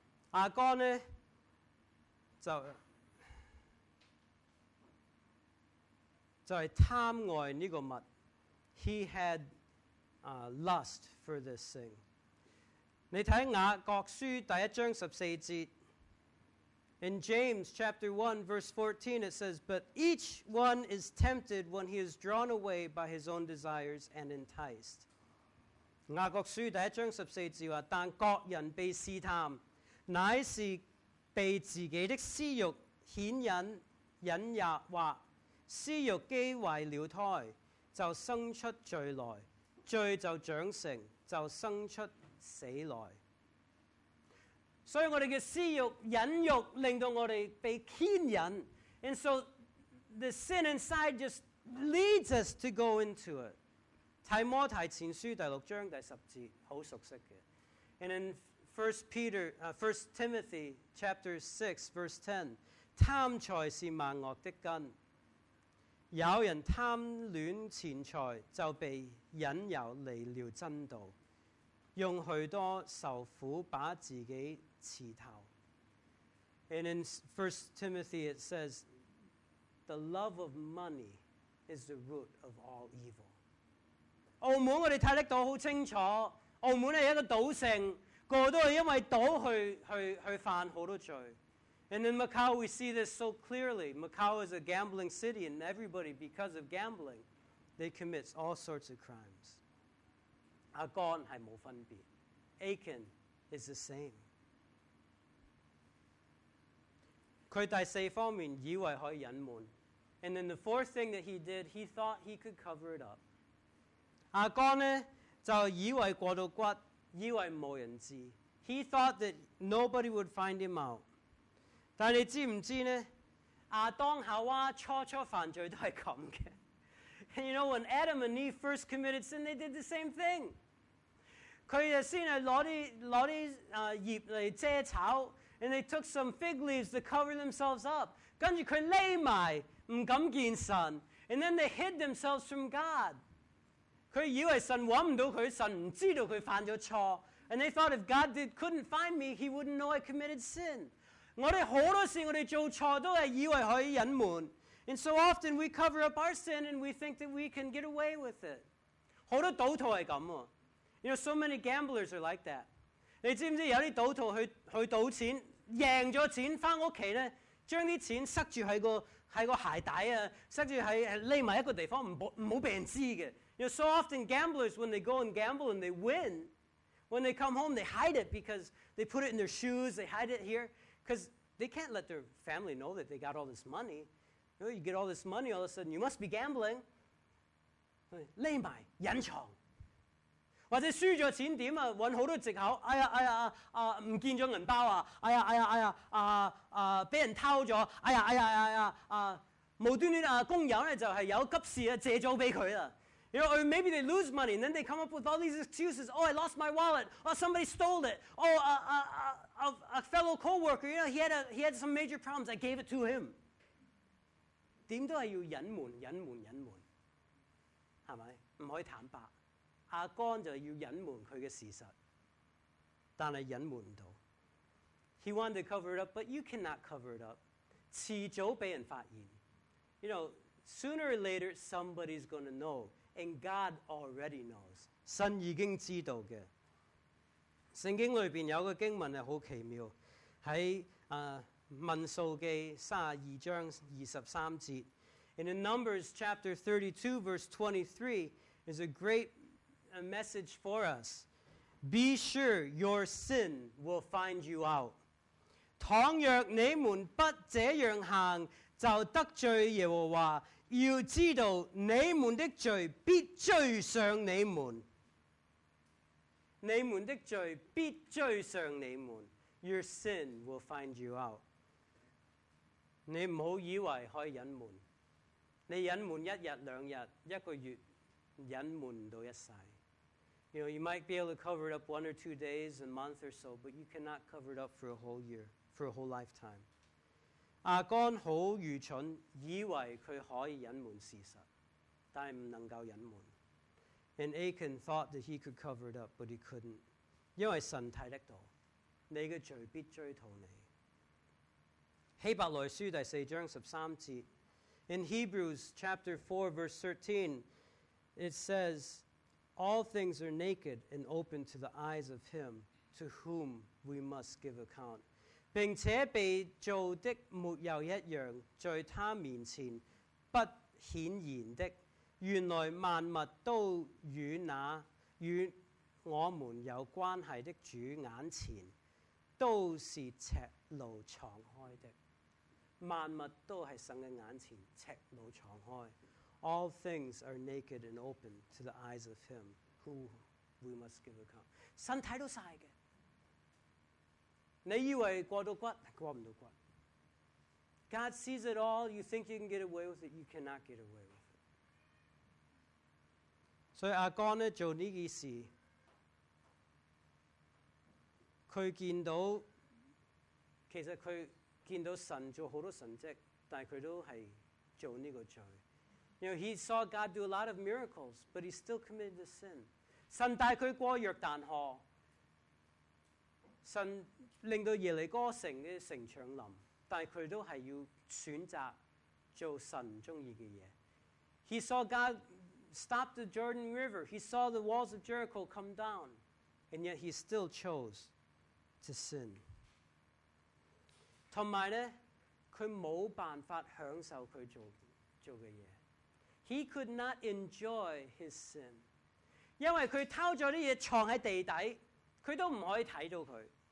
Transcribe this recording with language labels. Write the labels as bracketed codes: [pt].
[zh] 阿干呢就是贪爱这个物 [en] He had lust for this thing. [zh] 你睇雅各书第一章十四节 [en] ，In James chapter 1 verse 14 it says, "But each one is tempted when he is drawn away by his own desires and enticed." [zh] 雅各书第一章十四节话，但各人被试探，乃是被自己的私欲牵引、引诱惑，私欲既怀了胎，就生出罪来，罪就长成，就生出。死来，所以我哋嘅私欲、隐欲，令到我哋被牵引 [en] ，and so the sin inside just leads us to go into it. [zh] 提摩太前书第六章第十节，好熟悉嘅。 [en] And in First Timothy chapter 6 verse 10, [zh] 贪财是万恶的根。有人贪恋钱财，就被引诱离了真道。用许多受苦把自己刺透。 [en] And in 1 Timothy it says, the love of money is the root of all evil. [zh] 澳门我们看得到很清楚，澳门是一个赌城，个个都是因为赌 去犯很多罪。 [en] And in Macau we see this so clearly. Macau is a gambling city and everybody, because of gambling, they commit all sorts of crimes. [zh] 阿干是没分别 [en] Achan is the same. [zh] 他第四方面以为可以隐瞒 [en] And then the fourth thing that he did, he thought he could cover it up. [zh] 阿干呢就以为过到骨以为无人知 [en] He thought that nobody would find him out. [zh] 但你知不知呢阿当夏娃初初犯罪都是这样的 [en] And you know, when Adam and Eve first committed sin, they did the same thing. [zh] 他们先拿叶来遮草 [en] and they took some fig leaves to cover themselves up. [zh] 跟着他们躲起来不敢见神 [en] and then they hid themselves from God. [zh] 他以为神找不到他神不知道他犯了错 [en] and they thought if God couldn't find me, he wouldn't know I committed sin. [zh] 我们很多事我们做错都是以为可以隐瞒 [en] And so often we cover up our sin and we think that we can get away with it. [zh] 很多賭徒是這樣。 [en] You know, so many gamblers are like that. [zh] 你知不知道有些賭徒 去賭錢贏了錢回家呢將那些錢塞住在鞋帶塞住在躲在一個地方不要被人知道的。 [en] You know, so often gamblers, when they go and gamble and they win, when they come home, they hide it because they put it in their shoes, they hide it here, because they can't let their family know that they got all this money. You know, you get all this money, all of a sudden, you must be gambling. [zh] 躲起来隐藏。或者输了钱怎么办找很多借口哎呀不见了银包哎呀被人偷了哎呀无端端工友呢就是有急事借了给他。 [en] You know, or maybe they lose money and then they come up with all these excuses. Oh, I lost my wallet. Oh, somebody stole it. Oh, a fellow co-worker, you know, he had some major problems. I gave it to him. [zh] 點都係要隱瞞、隱瞞、隱瞞，係咪？唔可以坦白。阿乾就要隱瞞佢嘅事實，但係隱瞞唔到。 [en] He wanted to cover it up, but you cannot cover it up. [zh] 遲早被人發現。 [en] You know, sooner or later, somebody's going to know, and God already knows. [zh] 神已經知道嘅。聖經裏邊有個經文係好奇妙，民数记三十二章二十三节 [en] ，And in Numbers chapter 32 verse 23 is a great message for us. Be sure your sin will find you out. [zh] 倘若你们不这样行，就得罪耶和华。要知道，你们的罪必追上你们。你们的罪必追上你们。 [en] Your sin will find you out. [zh] 你唔好以为可以隐瞒，你隐瞒一日两日，一个月，隐瞒到一世。 [en] You know, you might be able to cover it up one or two days, a month or so, but you cannot cover it up for a whole year, for a whole lifetime. [zh] 亚干好愚蠢，以为佢可以隐瞒事实，但系唔能够隐瞒。 [en] And Achan thought that he could cover it up, but he couldn't. [zh] 因为神睇得到，你嘅罪必追讨你。希伯来书第四章十三节 [en] ，In Hebrews chapter 4 verse 13, it says, "All things are naked and open to the eyes of Him to whom we must give account." [zh] 并且被做的没有一样，在他面前不显然的。原来万物都与那与我们有关系的主眼前都是赤露敞开的。万物都是神的眼前赤露敞开。 [en] All things are naked and open to the eyes of Him who we must give account. [zh] 神睇到晒嘅，你以为过到骨，过唔到骨。 [en] God sees it all. You think you can get away with it? You cannot get away with it. [zh] 所以亚干呢做呢件事，佢见到，其实佢见到神做好多神迹，但佢都系做呢个罪。 [en] You know, he saw God do a lot of miracles, but he still committed the sin. [zh] 神带佢过约旦河，神令到耶利哥城嘅城墙冧，但佢都系要选择做神唔中意嘅嘢。 [en] He saw God stop the Jordan River. He saw the walls of Jericho come down. And yet he still chose to sin. [zh] 同埋呢，佢冇办法享受佢做嘅嘢。 [en] He could not enjoy his sin. [zh] 因为佢偷咗啲嘢藏喺地底，佢都唔可以睇到佢。